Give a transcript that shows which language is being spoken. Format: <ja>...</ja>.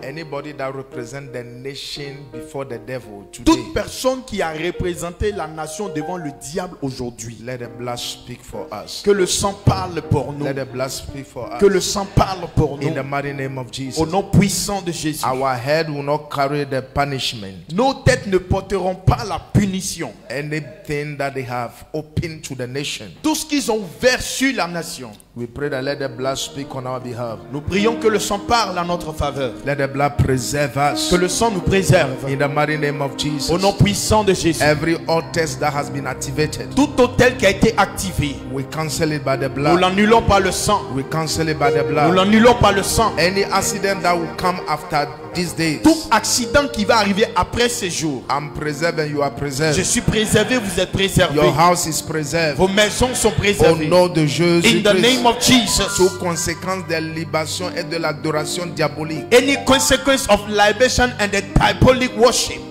<en>Anybody that represent the nation before the devil today.</en> <fr>Toute personne qui a représenté la nation devant le diable aujourd'hui.</fr> <en>Let the blood speak for us.</en> <fr>Que le sang parle pour nous.</fr> <en>Let the blood speak for us.</en> <fr>Que le sang parle pour nous.</fr> <en>In the mighty name of Jesus.</en> <fr>Au nom puissant de Jésus.</fr> <en>Our head will not carry the punishment.</en> <fr>Nos têtes ne porteront pas la punition.</fr> <en>Anything that they have opened to the nation.</en> <fr>Tout ce qu'ils ont ouvert sur la nation.</fr> <en>We pray that let the blood speak on our behalf.</en> <fr>Nous prions que le sang parle à notre faveur.</fr> <en>Let the blood preserve us.</en> <fr>Que le sang nous préserve.</fr> <en>In the mighty name of Jesus.</en> <fr>Au nom puissant de Jésus.</fr> <en>Every altar that has been activated.</en> <fr>Tout autel qui a été activé.</fr> <en>We cancel it by the blood.</en> <fr>Nous l'annulons par le sang.</fr> <en>We cancel it by the blood.</en> <fr>Nous l'annulons par le sang.</fr> <en>Any accident that will come after these days.</en> <fr>Tout accident qui va arriver après ces jours.</fr> <en>I'm preserved and you are preserved.</en> <fr>Je suis préservé, vous êtes préservé.</fr> <en>Your house is preserved.</en> <fr>Vos maisons sont préservées. Au nom de Jésus.</fr> <en>In the name of Jesus.</en> <fr>Sous conséquence de libation et de l'adoration diabolique.</fr> <en>Any consequence of libation and the diabolic worship.</en>